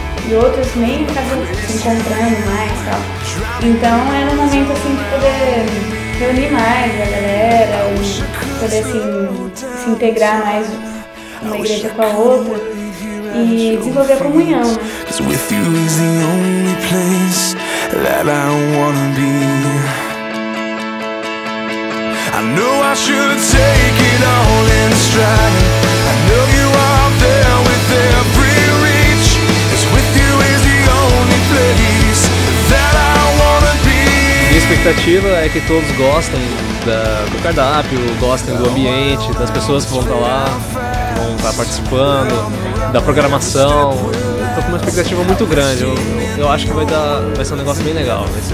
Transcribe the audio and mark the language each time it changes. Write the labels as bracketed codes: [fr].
[pt] E outros nem acabam se encontrando mais, tal. Então era um momento assim de poder reunir mais a galera e poder assim se integrar mais uma igreja com a outra e desenvolver a comunhão. [en] Because with you is the only place that I wanna be. I know I should take it all in stride. I know you are there with every reach. It's with you is the only place that I wanna be. [pt] Minha expectativa é que todos gostem do cardápio, gostem do ambiente, das pessoas que vão estar lá, que vão estar participando, da programação. Estou com uma expectativa muito grande. Eu acho que vai ser um negócio bem legal.